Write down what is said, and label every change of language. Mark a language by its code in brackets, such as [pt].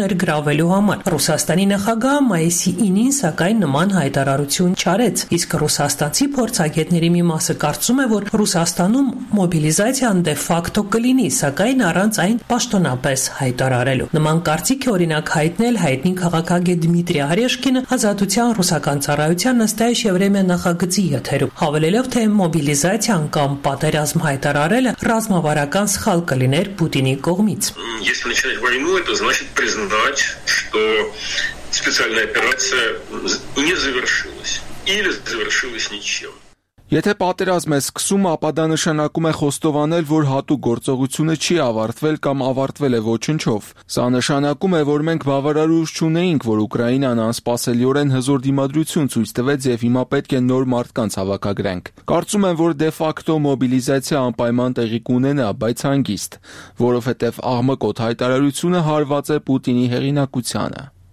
[hy] ներգրավելու համար։ Ռուսաստանի նախագահ մայիսի 9-ին սակայն նման հայտարարություն չարեց, իսկ ռուսաստանցի փորձագետների մի մասը կարծում է, որ Ռուսաստանում մոբիլիզացիան դե ֆակտո կլինի, սակայն առանց այն պաշտոնապես հայտարարելու։ Նման կարծիքը օրինակ հայտնել հայտնի քաղաքագետ Դմիտրի Արեշկինը Ազատության ռուսական ծառայության նստայիչ Եվրեմիա նախագծի եթերում, հավելելով, թե մոբիլիզացիան կամ պատերազմ հայտարարելը ռազմավարական սխալ կլիներ Պուտինի կողմից։ [ru] Если начинать войну, это значит признавать, что специальная операция не завершилась или завершилась ничем. [hy] Եթե պատերազմը սկսում, ապա դա նշանակում է խոստովանել, որ հատուկ գործողությունը չի ավարտվել կամ ավարտվել է ոչնչով։ Սա նշանակում է, որ մենք բավարար ուժ չունենք, որ Ուկրաինան անսպասելիորեն հզոր դիմադրություն ցույց տվեց եւ հիմա պետք է նոր մարդկանց հավաքագրենք։ Կարծում եմ, որ դեֆակտո մոբիլիզացիա անպայման տեղի կունենա, բայց հանգիստ, որովհետեւ ԱՀՄ-ի հայտարարությունը հարված է Պուտինի հեղինակությանը։